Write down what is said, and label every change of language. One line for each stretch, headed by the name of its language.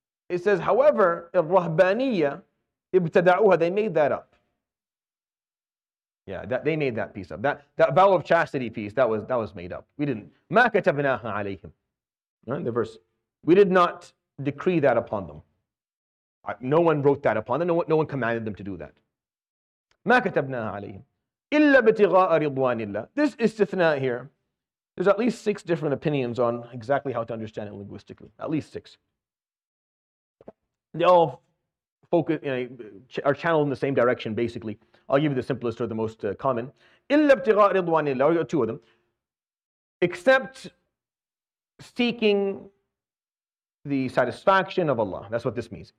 English: It says, however,
Arabic: الرهبانية ابتدعوها,
English: they made that up. Yeah, that they made that piece up. That vow of chastity piece, that was made up. We didn't.
Arabic: ما كتبناها عليهم.
English: Right, the verse. We did not decree that upon them. No one wrote that upon them. No one commanded them to do that.
Arabic: ما كتبناها عليهم إلا ابتغاء رضوان الله.
English: This istithna here, there's at least six different opinions on exactly how to understand it linguistically. At least six. They all focus, are channeled in the same direction, basically. I'll give you the simplest or the most common.
Arabic: إلا ابتغاء رضوان الله.
English: We got two of them. Except seeking the satisfaction of Allah. That's what this means.